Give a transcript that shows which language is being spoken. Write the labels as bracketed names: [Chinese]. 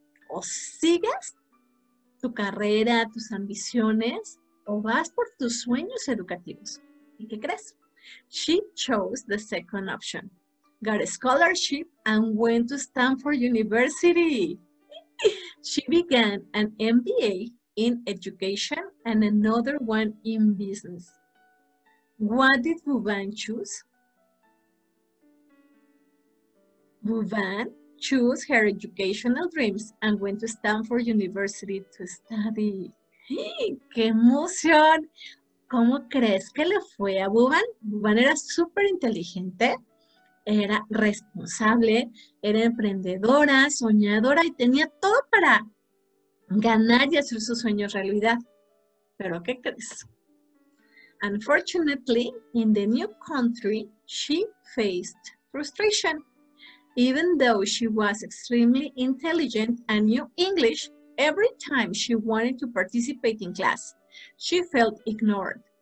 [Spanish] O sigues tu carrera, tus ambiciones, o vas por tus sueños educativos. ¿Y qué crees? [English] She chose the second option. Got a scholarship and went to Stanford University. She began an MBA in education and another one in business. What did Bhuvan choose? Bhuvan chose her educational dreams and went to Stanford University to study. [Spanish] ¡Qué emoción! ¿Cómo crees que le fue a Bhuvan? Bhuvan era súper inteligente, era responsable, era emprendedora, soñadora y tenía todo para ganar y hacer sus sueños realidad. ¿Pero qué crees? [English] Unfortunately, in the new country, she faced frustration. Even though she was extremely intelligent and knew English, every time she wanted to participate in class, she felt ignored.